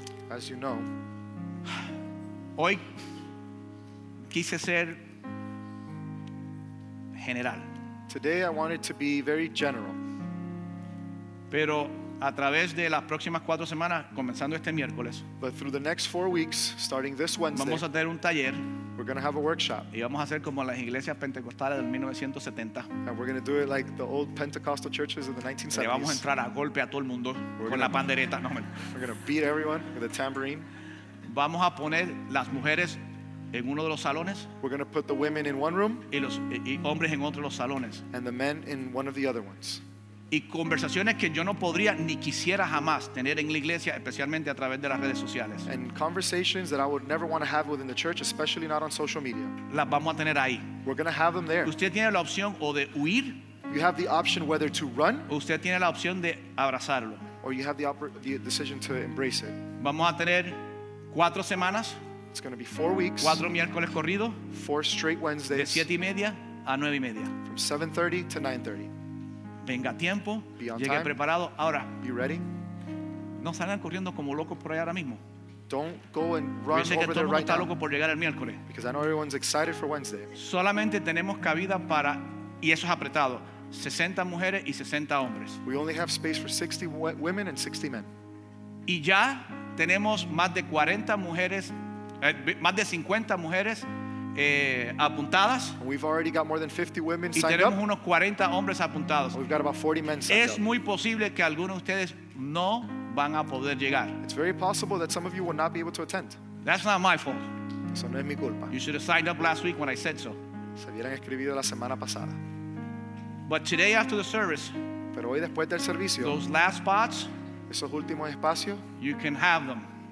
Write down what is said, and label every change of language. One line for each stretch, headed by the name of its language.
English: as you know,
Spanish: hoy quise ser general.
English: Today I wanted to be very general.
Spanish: Pero a través de las próximas cuatro semanas, comenzando este miércoles,
English: but through the next 4 weeks, starting this Wednesday,
Spanish: vamos a tener un taller.
English: We're going to have a workshop.
Spanish: Y vamos a hacer como las iglesias pentecostales del 1970.
English: And we're going to do it like the old Pentecostal churches of the 1970s.
Spanish: Le vamos a entrar a golpe a todo el mundo con la pandereta. No,
English: we're going to beat everyone with a tambourine.
Spanish: Vamos a poner las mujeres en uno de los salones.
English: We're going to put the women in one room.
Spanish: Y los y hombres en otro de los salones.
English: And the men in one of the other ones.
Spanish: Y conversaciones que yo no podría ni quisiera jamás tener en la iglesia, especialmente a través de las redes sociales.
English: And conversations that I would never want to have within the church, especially not on social media.
Spanish: Las vamos a tener ahí.
English: We're going to have them there.
Spanish: Usted tiene la opción o de huir.
English: You have the option whether to run.
Spanish: O usted tiene la opción de abrazarlo.
English: Or you have the decision to embrace it.
Spanish: Vamos a tener cuatro semanas.
English: It's going to be 4 weeks.
Spanish: Cuatro miércoles corridos.
English: Four straight Wednesdays.
Spanish: De 7:30 to 9:30.
English: From 7:30 to 9:30.
Spanish: Venga tiempo, llegue preparado ahora.
English: Be ready.
Spanish: No salgan corriendo como locos por allá ahora mismo.
English: Don't go and run over there right now.
Spanish: Yo sé que todo loco por llegar el miércoles.
English: Because I know everyone's excited for Wednesday.
Spanish: Solamente tenemos cabida para, y eso es apretado, 60 mujeres y 60 hombres.
English: We only have space for 60 women and 60 men.
Spanish: Y ya tenemos más de 40 mujeres, más de 50 mujeres apuntadas.
English: We've already got more than 50 women signed up.
Spanish: Y tenemos unos 40 hombres apuntados.
English: We've got about 40 men signed up.
Spanish: Es muy posible que algunos de ustedes no van a poder llegar.
English: It's very possible that some of you will not be able to attend. That's not my fault.
Spanish: Eso no es mi culpa.
English: You should have signed up last week when I said so.
Spanish: Se hubieran escribido la semana pasada.
English: But today after the service,
Spanish: pero hoy después del servicio,
English: those last spots,
Spanish: esos últimos espacios,
English: you can have them.